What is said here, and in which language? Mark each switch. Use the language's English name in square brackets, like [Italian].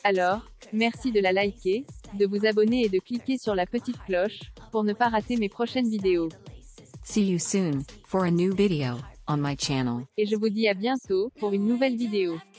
[French] Alors, merci de la liker, de vous abonner et de cliquer sur la petite cloche pour ne pas rater mes prochaines vidéos. [English] See you soon for a new video on my channel. [French] Et je vous dis à bientôt pour une nouvelle vidéo.